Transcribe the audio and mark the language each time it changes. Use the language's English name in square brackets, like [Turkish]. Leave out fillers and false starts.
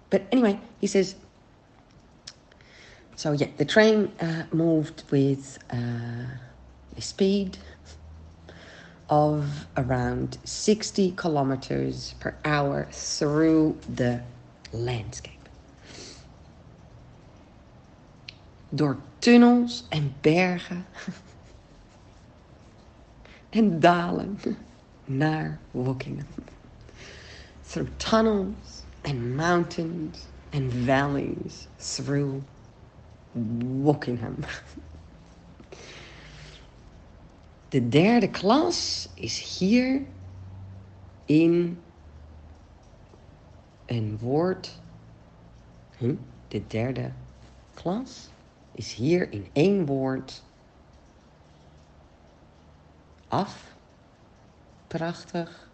[English] But anyway, he says, so yeah, the train moved with a speed of around 60 kilometers per hour through the landscape. [Dutch] Door tunnels en bergen en dalen naar Wokingham. [English] Through tunnels and mountains and valleys through Wokingham. [Dutch] De derde klas is hier in een woord. De derde klas is hier in één woord af. Prachtig.